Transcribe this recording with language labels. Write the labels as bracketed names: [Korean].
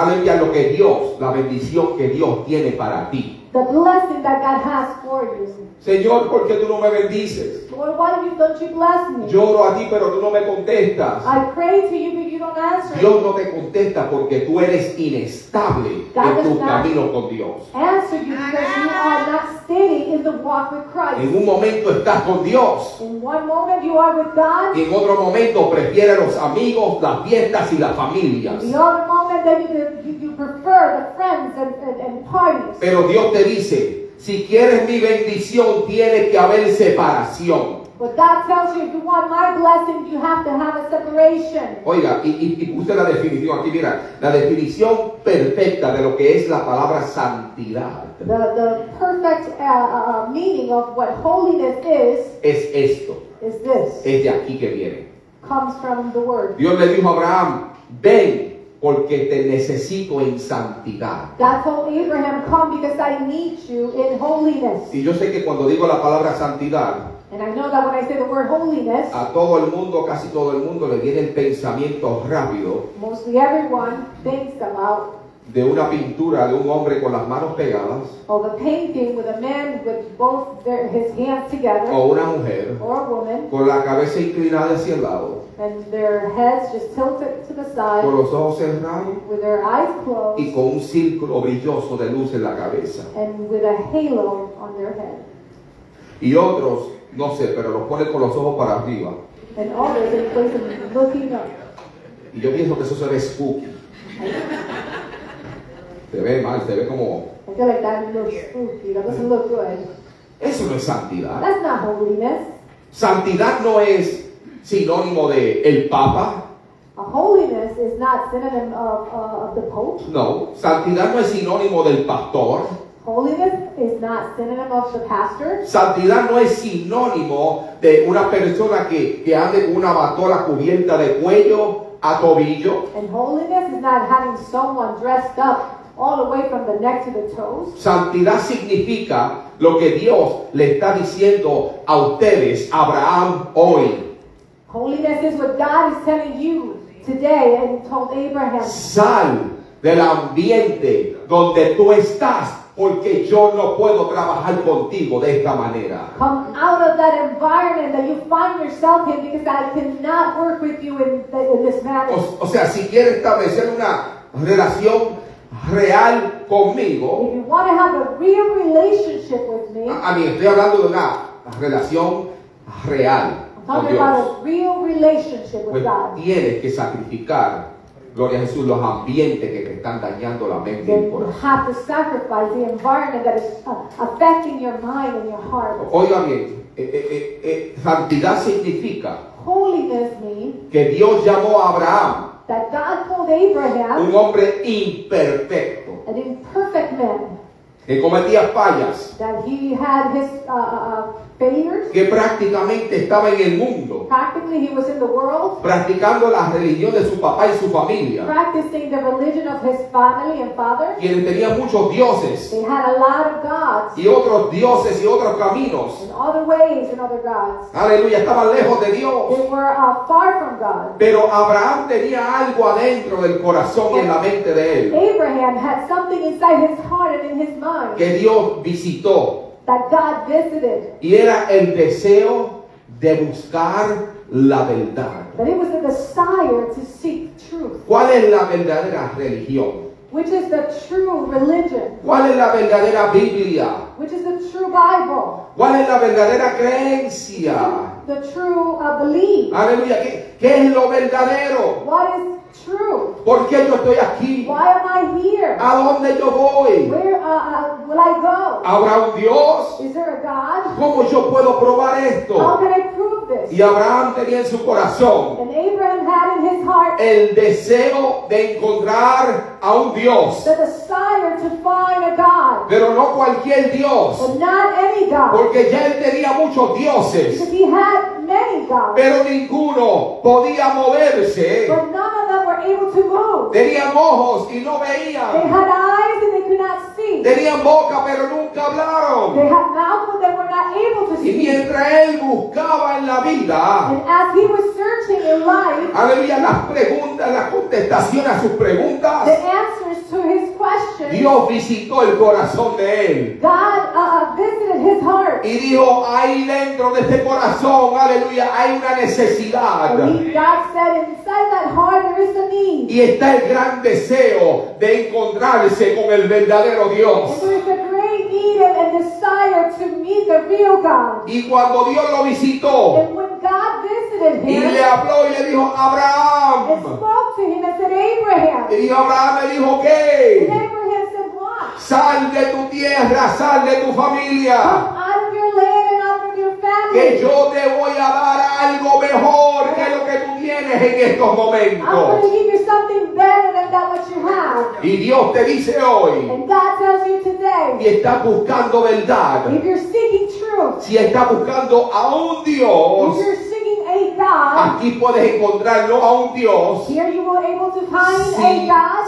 [Spanish] Aleluya, lo que Dios, la bendición que Dios tiene para ti. [English] The blessing that God has for you. [Spanish] Señor, ¿por qué tú no me bendices? [English] Lord, why don't you bless me? [Spanish] Yo oro a ti, pero tú no me contestas. [English] I pray to you, but you don't answer. [Spanish] Dios no te contesta porque tú eres inestable [English] God [Spanish] en tu camino con Dios. [English] Answer you because you are not steady in the walk with Christ. [Spanish] En un momento estás con Dios. [English] In one moment you are with God. [Spanish] En otro momento prefieres los amigos, las fiestas y las familias. [English] In the other moment then you prefer the friends and parties. [Spanish] Pero Dios te dice, si quieres mi bendición, tiene que haber separación. [English] But God tells you, if you want my blessing, you have to have a separation. [Spanish] Oiga, y puse la definición aquí, mira, la definición perfecta de lo que es la palabra santidad. [English] The perfect meaning of what holiness is. [Spanish] Es esto. [English] Is this. [Spanish] Es de aquí que viene. [English] Comes from the word. [Spanish] Dios le dijo a Abraham, ven. Porque te necesito en santidad. [English] God told Abraham, come because I need you in holiness. [Spanish] Y yo sé que cuando digo la palabra santidad, [English] And I know that when I say the word holiness, [Spanish] a todo el mundo, casi todo el mundo, le viene el pensamiento rápido. [English] Mostly everyone thinks about [Spanish] de una pintura de un hombre con las manos pegadas. [English] Of a painting with a man with both their, his hands together. [Spanish] O una mujer. [English] Or a woman. [Spanish] Con la cabeza inclinada hacia el lado. [English] And their heads just tilted to the side. [Spanish] Con los ojos cerrados. [English] With their eyes closed. [Spanish] Y con un círculo brilloso de luz en la cabeza. [English] And with a halo on their head. [Spanish] Y otros, no sé, pero los pone con los ojos para arriba. [English] And others, they place them looking up. [Spanish] Y yo pienso que eso se ve spooky. Se ve mal, se ve como... [English] I feel like that looks spooky. That doesn't look good. [Spanish] Eso no es santidad. [English] That's not holiness. [Spanish] Santidad no es sinónimo de el Papa. [English] A holiness is not synonym of the Pope. [Spanish] No, santidad no es sinónimo del pastor. [English] Holiness is not synonym of the pastor. [Spanish] Santidad no es sinónimo de una persona que ande con una batola cubierta de cuello a tobillo. [English] And holiness is not having someone dressed up all the way from the neck to the toes. [Spanish] Santidad significa lo que Dios le está diciendo a ustedes, Abraham, hoy. [English] Holiness is what God is telling you today and told Abraham. [Spanish] Sal del ambiente donde tú estás, porque yo no puedo trabajar contigo de esta manera. [English] Come out of that environment that you find yourself in, because I cannot work with you in this manner. [Spanish] O sea, si quieres establecer una relación real conmigo, [English] if you want to have a real relationship with me, I mean, [Spanish] estoy hablando de una relación real. [English] Talking about a real relationship with [Spanish] pues [English] God. [Spanish] Tienes que sacrificar, gloria a Jesús, los ambientes que te están dañando la mente y el corazón. [English] You have to sacrifice the environment that is affecting your mind and your heart. [Spanish] Oiga bien, santidad significa [English] holiness mean [Spanish] que Dios llamó a Abraham, [English] that God called Abraham, [Spanish] un hombre imperfecto, [English] an imperfect man, [Spanish] que cometía fallas, [English] that he had his failures, [Spanish] que prácticamente estaba en el mundo, [English] practically he was in the world, [Spanish] practicando la religión de su papá y su familia, [English] practicing the religion of his family and father, [Spanish] quienes tenían muchos dioses, [English] they had a lot of gods, [Spanish] y otros dioses y otros caminos, [English] and other ways and other gods. [Spanish] Aleluya, estaban lejos de Dios. [English] They were far from God. [Spanish] Pero Abraham tenía algo adentro del corazón y en la mente de él. [English] Abraham had something inside his heart and in his mind. [Spanish] Que Dios visitó. [English] That God visited. [Spanish] Y era el deseo de buscar la verdad. [English] But it was the desire to seek truth. [Spanish] ¿Cuál es la verdadera religión? [English] Which is the true religion? [Spanish] ¿Cuál es la verdadera Biblia? [English] Which is the true Bible? [Spanish] ¿Cuál es la verdadera creencia? [English] The true belief. [Spanish] Aleluya. ¿Qué es lo verdadero? [English] What is true? [Spanish] ¿Por qué yo estoy aquí? [English] Why am I here? [Spanish] ¿A dónde yo voy? [English] Where will I go? [Spanish] ¿Habrá un Dios? [English] Is there a God? [Spanish] ¿Cómo yo puedo probar esto? [English] How can I prove this? [Spanish] Y Abraham tenía en su corazón, [English] and Abraham had in his heart, [Spanish] el deseo de encontrar a un Dios, [English] the desire to find a God, [Spanish] pero no cualquier Dios, [English] but not any God, [Spanish] porque ya él tenía muchos dioses, [English] because he had many gods, [Spanish] pero ninguno podía moverse, [English] but none of them were able to move. [Spanish] Tenían ojos y no veían. [English] They had eyes and they could not see. [Spanish] Tenían boca pero nunca hablaron. [English] They had mouths but they were not able to speak. [Spanish] Y mientras él buscaba en la vida, [English] and as he was searching in life, [Spanish] había las preguntas, las contestaciones a sus preguntas, [English] the answers to his questions, [Spanish] Dios visitó el corazón de él. [English] God visited his heart. [Spanish] Y dijo, ahí dentro de este corazón, aleluya, hay una necesidad. [English] God said, inside that heart there is a need. [Spanish] Y está el gran deseo de encontrarse con el verdadero Dios. [English] And there is a great need and desire to meet the real God. [Spanish] Y cuando Dios lo visitó, [English] God visited him, [Spanish] y le habló y le dijo, Abraham, [English] spoke to him and said, Abraham. [Spanish] Y dijo, Abraham, le dijo, ¿qué? [English] And Abraham said, what? [Spanish] Sal de tu tierra, sal de tu familia. [English] Come out of your land and out of your family. [Spanish] Que yo te voy a dar algo mejor que lo que tú tienes en estos momentos. [English] I'm going to give you something better than that what you have. [Spanish] Y Dios te dice hoy, [English] and God tells you today, [Spanish] y estás buscando verdad, [English] if you're seeking truth, [Spanish] si estás buscando a un Dios, [English] if you're seeking a God, [Spanish] aquí puedes encontrar no a un Dios, [English] here you are able to find a God,